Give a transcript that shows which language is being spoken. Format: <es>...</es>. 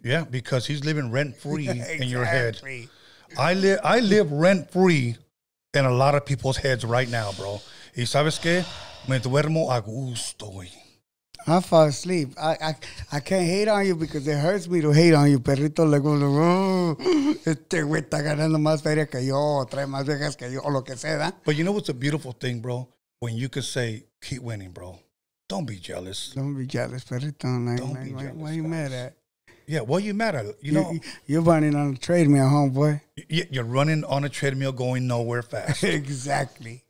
<en>Yeah, because he's living rent-free exactly. In your head. I live rent-free in a lot of people's heads right now, bro.</en> <es>Y sabes que? Me duermo a gusto.</es> <en>I fall asleep. I can't hate on you because it hurts me to hate on you, perrito. Like, oh,</en> <es>este güey está ganando más feria que yo, trae más viejas que yo, o lo que sea.</es> <en>But you know what's a beautiful thing, bro? When you can say, keep winning, bro. Don't be jealous. Don't be jealous, perrito. Like, don't like, be jealous. Why you mad at? Yeah, why you mad at? You you're running on a treadmill, homeboy. You're running on a treadmill going nowhere fast. Exactly.</en>